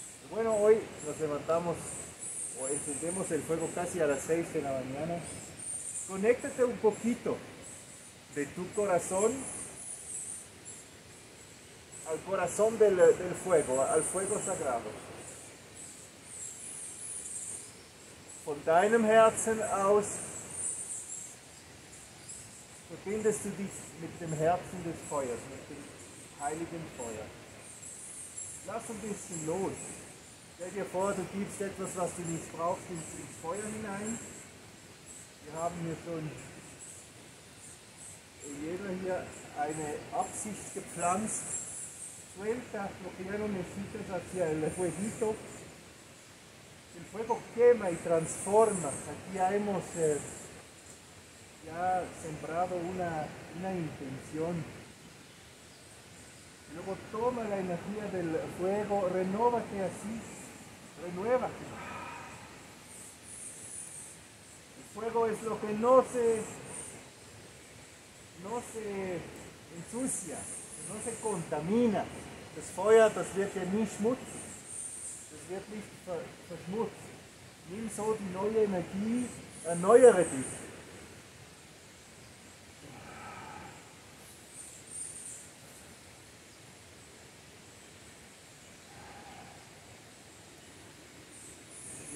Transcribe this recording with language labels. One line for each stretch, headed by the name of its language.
Spanish: Bueno, hoy nos levantamos o encendemos el fuego casi a las 6 de la mañana. Conéctate un poquito de tu corazón al corazón del fuego, al fuego sagrado.
German: Von deinem Herzen aus verbindest du dich mit dem Herzen des Feuers, mit dem heiligen Feuer. Lass ein bisschen los. Stell dir vor, du gibst etwas, was du nicht brauchst, ins Feuer hinein. Wir haben hier schon jeder hier eine Absicht gepflanzt.
Spanish: Suelta lo que ya no necesitas hacia el fueguito. El fuego quema y transforma. Aquí ya hemos ya sembrado una intención. Luego toma la energía del fuego, renóvate así, renuévate. Fuego es lo que no se ensucia, no se contamina.
German: Das Feuer, das wird ja nicht schmutzig. Das wird nicht verschmutzt. Nimm so die neue Energie, erneuere dich.